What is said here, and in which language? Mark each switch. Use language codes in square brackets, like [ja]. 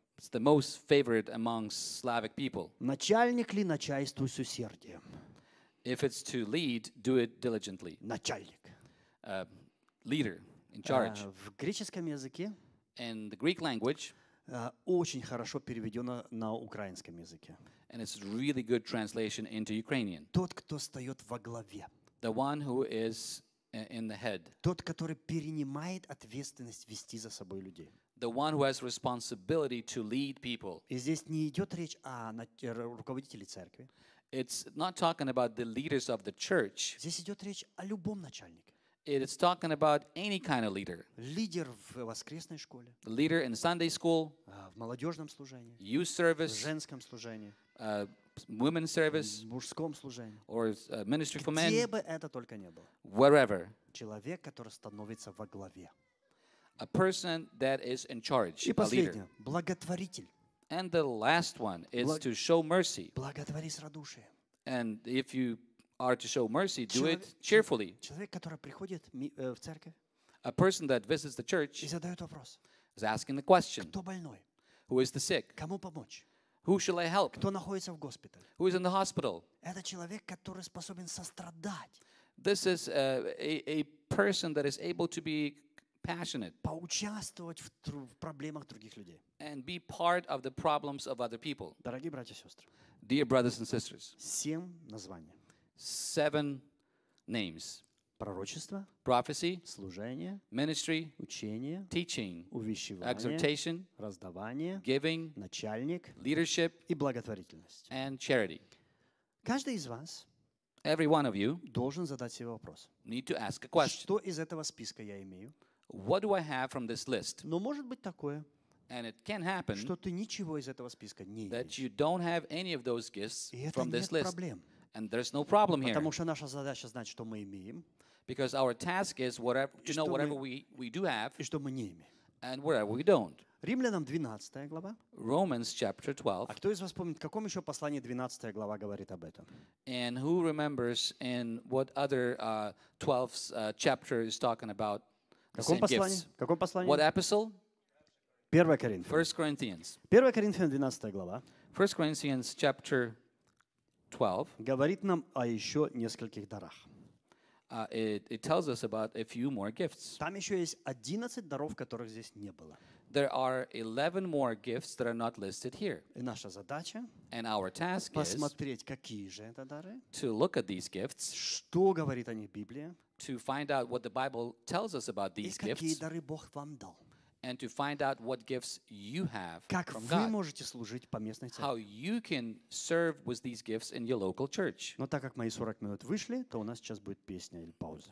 [en] It's the most favorite among Slavic people. [ru] Начальник ли начальству с усердием? [en] If it's to lead, do it diligently. [ru] Начальник. [en] Leader, in charge. [ru] В греческом языке. [en] In the Greek language. [ru] Очень хорошо переведено на украинском языке. [en] And it's a really good translation into Ukrainian. [ru] Тот, кто встает во главе. [en] The one who is in the head. [ru] Тот, который перенимает ответственность вести за собой людей. [en] The one who has responsibility to lead people. [ru] И здесь не идет речь о руководителе церкви. [en] It's not talking about the leaders of the church. [ru] Здесь идет речь о любом начальнике. [en] It's talking about any kind of leader. [ru] Лидер в воскресной школе. [en] The leader in Sunday school. [ru] В молодежном служении. [en] Youth service. [ru] В женском служении. [en] Women's service. [ru] В мужском служении. [en] Or ministry for men. [ru] Где бы это только не было. [en] Wherever. [ru] Человек, который становится во главе. [en] A person that is in charge. [ru] И последнее. Благотворитель. [en] And the last one is to show mercy. [ru] Благотвори с радушием. [en] And if you are to show mercy, do it cheerfully. [ru] Человек, который приходит в церковь, [en] a person that visits the church, [ru] и задает вопрос, [en] is asking the question, [ru] кто больной? [en] Who is the sick? [ru] Кому помочь? [en] Who shall I help? [ru] Кто находится в госпитале? [en] Who is in the hospital? [ru] Это человек, который способен сострадать. [en] This is a person that is able to be passionate. [ru] Поучаствовать в проблемах других людей. [en] And be part of the problems of other people. [ru] Дорогие братья и сестры. [en] Dear brothers and sisters. [ru] Семь названий. [en] Seven names. [ru] Пророчество. [en] Prophecy. [ru] Служение. [en] Ministry. [ru] Учение. [en] Teaching. [ru] Увещевание. [en] Exhortation. [ru] Раздавание. [en] Giving. [ru] Начальник. [en] Leadership. [ru] И благотворительность. [en] And charity. [ru] Каждый из вас. [en] Every one of you. [ru] Должен задать себе вопрос. [en] Need to ask a question. [ru] Что из этого списка я имею? [en] What do I have from this list? [ru] Но может быть такое. [en] And it can happen [ru] что ты ничего из этого списка не имеешь. [en] That you don't have any of those gifts from this list. [ru] Проблем. [en] And there's no problem here. [ru] Потому что наша задача знать, что мы имеем. [en] Because our task is whatever, to know whatever we do have. [ru] И что мы не имеем. [en] And whatever we don't. [ru] Римлянам 12 глава. [en] Romans chapter 12. [ru] А кто из вас помнит, в каком еще послании 12 глава говорит об этом? [en] And who remembers in what other 12th chapter is talking about the [ru] каком [en] same [ru] послании? [en] Gifts? [ru] Каком послании? [en] What epistle? [ru] 1 Коринфян. [en] 1 Corinthians. [ru] 1 Коринфян 12 глава. [en] 1 Corinthians chapter 12. [ru] Говорит нам о еще нескольких дарах. [en] It tells us about a few more gifts. [ru] Там еще есть 11 даров, которых здесь не было. [en] There are 11 more gifts that are not listed here. [ru] И наша задача. [en] And our task [ru] Посмотреть, какие же это дары. [en] To look at these gifts. [ru] Что говорит о них Библия. [en] To find out what the Bible tells us about these gifts. [ru] И какие дары Бог вам дал. [en] And to find out what gifts you have [ru] как [en] from God. [ru] Как вы можете служить по местной церкви? [en] How you can serve with these gifts in your local church? [ru] Но так как мои 40 минут вышли, то у нас сейчас будет песня или пауза.